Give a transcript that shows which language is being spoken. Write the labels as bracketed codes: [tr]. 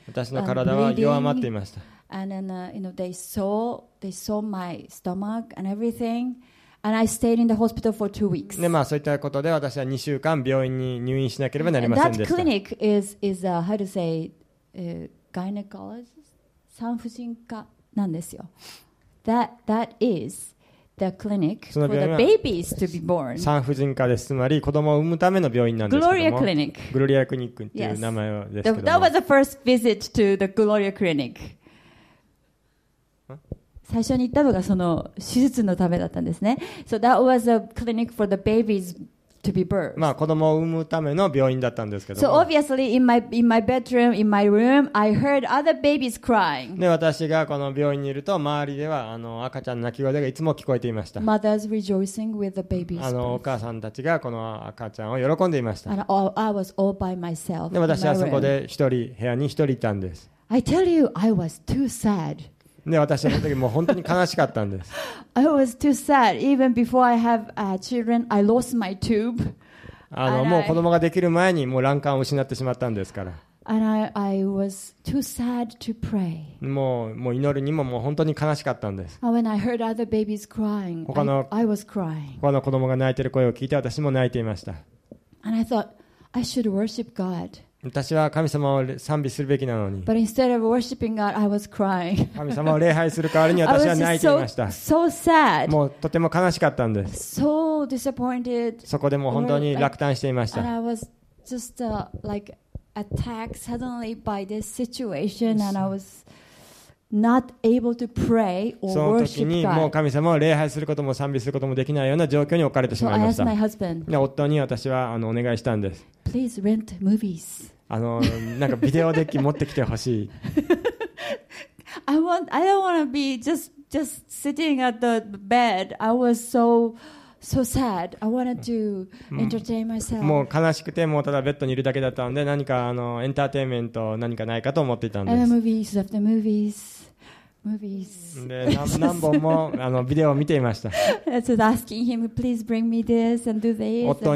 [ja] 私の体は弱まっていましたそういったことで私は2週間病院に入院しなければなりませんでした [en] that clinic is a, how to say, gynecologist? [ja] 産婦人科なんですよ [en] that isThe clinic for the babies to be born. [ja] 産婦人科です。つまり子供を産むための病院なんですけども。 [en] Gloria Clinic. [ja] Gloria Clinic っていう名前ですけども。 [en] That was the first visit to the Gloria Clinic. [ja] 最初に行ったのがその手術のためだったんですね。 [en] So that was a clinic for the babies to be birthed. [ja] まあ子供を産むための病院だったんですけども。 [en] So obviously in my bedroom, in my room, I heard other babies crying. [ja] で私がこの病院にいると周りでは赤ちゃんの泣き声がいつも聞こえていました。 [en] Mothers rejoicing with the baby's [ja] birth. お母さんたちがこの赤ちゃんを喜んでいました。 [en] And I was all by myself. [ja] で私はそこで一人部屋に一人いたんです。 [en] I tell you, I was too sad. [ja] で私の時もう本当に悲しかったんです。 [en] I was too sad. Even before I have children, I lost my tube. [ja] もう子供ができる前にもう卵管を失ってしまったんですから。 [en] And I was too sad to pray. [ja] もう祈るにももう本当に悲しかったんです。 [en] And when I heard other babies crying, I was crying. [ja] 他の子供が泣いてる声を聞いて私も泣いていました。 [en] And I thought I should worship God. [ja] 私は神様を賛美するべきなのに [en] But instead of worshiping God, I was crying. [ja] 神様を礼拝する代わりに私は泣いていました [en] so sad. [ja] もうとても悲しかったんです、 [en] so、disappointed. [ja] そこでもう本当に落胆していました [en] And I was just, like, attacked suddenly by this situation and I was not able to pray or worship God. [ja] その時にもう神様を礼拝することも賛美することもできないような状況に置かれてしまいました [en] So I asked my husband. [ja] 夫に私はお願いしたんです [en] Please rent movies. [ja] なんかビデオデッキ持ってきてほしい。 [en] I don't want to be just sitting at the bed. I was so sad. I wanted to entertain myself. [ja] もう悲しくてもうただベッドにいるだけだったんで何かエンターテインメント何かないかと思っていたんです。 [en] Movies after movies. Movies. [ja] 何本もビデオを見ていました。夫